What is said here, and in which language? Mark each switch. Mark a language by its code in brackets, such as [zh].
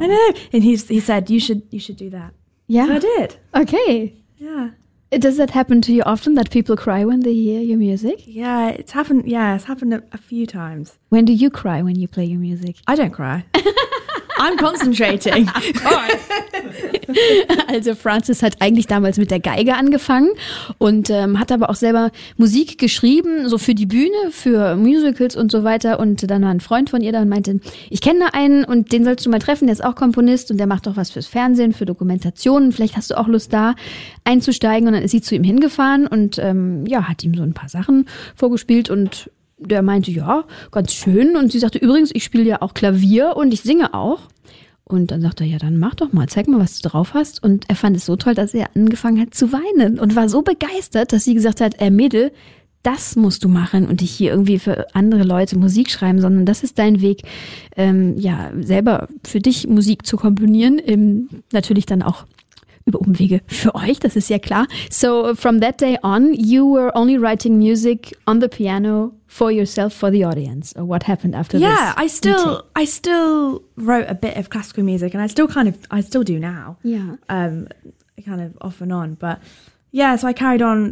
[en] I know. And he said, you should do that. Yeah. So I did. Okay. Yeah. Does that happen to you often that people cry when they hear your music? Yeah, it's happened a few times. When do you cry when you play your music? I don't cry. I'm concentrating. Of course. [de] Also Francis hat eigentlich damals mit der Geige angefangen und hat aber auch selber Musik geschrieben, so für die Bühne, für Musicals und so weiter. Und dann war ein Freund von ihr da und meinte, ich kenne da einen und den sollst du mal treffen, der ist auch Komponist und der macht auch was fürs Fernsehen, für Dokumentationen. Vielleicht hast du auch Lust, da einzusteigen. Und dann ist sie zu ihm hingefahren und hat ihm so ein paar Sachen vorgespielt und der meinte, ja, ganz schön. Und sie sagte, übrigens, ich spiele ja auch Klavier und ich singe auch. Und dann sagte er, ja, dann mach doch mal, zeig mal, was du drauf hast. Und er fand es so toll, dass er angefangen hat zu weinen und war so begeistert, dass sie gesagt hat, Mädel, das musst du machen und dich hier irgendwie für andere Leute Musik schreiben, sondern das ist dein Weg, selber für dich Musik zu komponieren, natürlich dann auch über Umwege für euch, das ist ja klar. [en] So from that day on, you were only writing music on the piano for yourself, for the audience. Or what happened after this? Yeah, I still wrote a bit of classical music and I still do now. Yeah. Kind of off and on. But yeah, so I carried on.